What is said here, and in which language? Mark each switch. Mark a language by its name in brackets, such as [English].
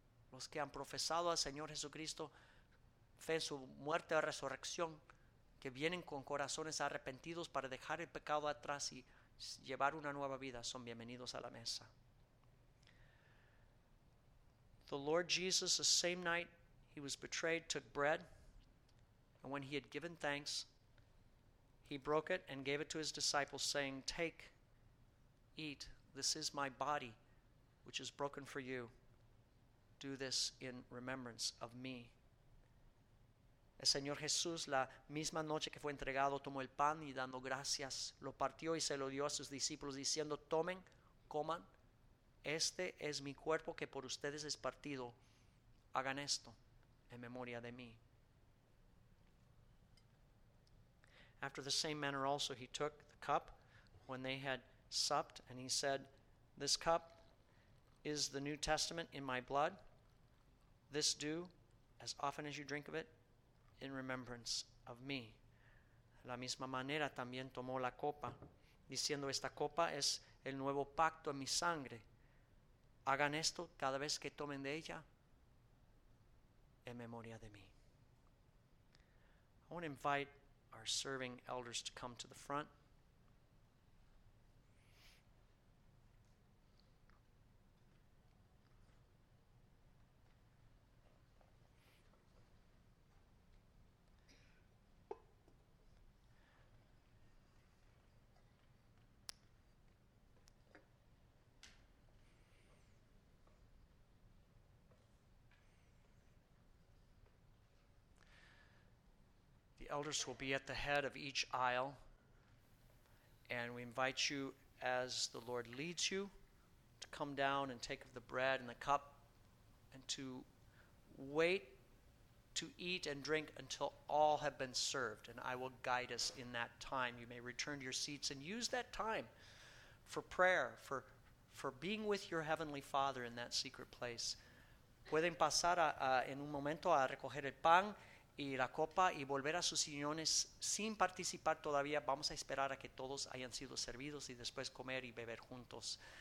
[Spanish] Los que han profesado al Señor Jesucristo fe en su muerte y resurrección, que vienen con corazones arrepentidos para dejar el pecado atrás y llevar una nueva vida, son bienvenidos a la mesa. [English] The Lord Jesus, the same night he was betrayed, took bread. And when he had given thanks, he broke it and gave it to his disciples, saying, "Take, eat, this is my body, which is broken for you. Do this in remembrance of me." [Spanish] El Señor Jesús, la misma noche que fue entregado, tomó el pan y dando gracias, lo partió y se lo dio a sus discípulos, diciendo, "Tomen, coman, este es mi cuerpo que por ustedes es partido. Hagan esto en memoria de mí." [English] After the same manner also he took the cup when they had supped, and he said, "This cup is the New Testament in my blood. This do, as often as you drink of it, in remembrance of me." [Spanish] La misma manera también tomó la copa, diciendo, "Esta copa es el nuevo pacto en mi sangre. Hagan esto cada vez que tomen de ella en memoria de mí." [English] I want to invite our serving elders to come to the front. Elders will be at the head of each aisle, and we invite you, as the Lord leads you, to come down and take of the bread and the cup, and to wait to eat and drink until all have been served, and I will guide us in that time. You may return to your seats and use that time for prayer, for being with your Heavenly Father in that secret place. [Spanish] Pueden pasar en un momento a recoger el pan y la copa y volver a sus sillones sin participar todavía. Vamos a esperar a que todos hayan sido servidos y después comer y beber juntos.